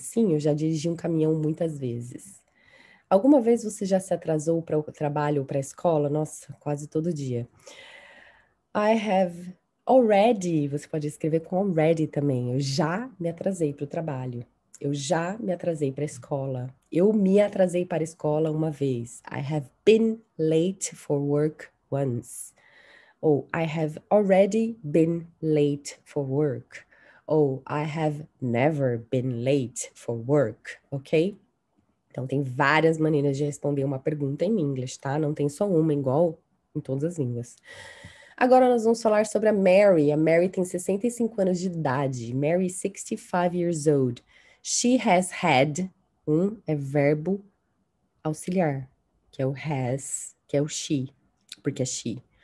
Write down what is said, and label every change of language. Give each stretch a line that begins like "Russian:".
Portuguese: Sim, eu já dirigi um caminhão muitas vezes. Alguma vez você já se atrasou para o trabalho ou para a escola? Nossa, quase todo dia.
English: I have.
Portuguese: Already, você pode escrever com already também. Eu já me atrasei para o trabalho. Eu já me atrasei para a escola. Eu me atrasei para a escola uma vez.
English: I have been late for work once.
Portuguese: Ou
English: I have already been late for work. Ou I have never been late for work, ok?
Portuguese: Então, tem várias maneiras de responder uma pergunta em inglês, tá? Não tem só uma, igual em todas as línguas. Agora nós vamos falar sobre a Mary. A Mary tem 65 anos de idade.
English: Mary, 65 years old. She has had,
Portuguese: é verbo auxiliar, que é o has, que é o she, porque é she.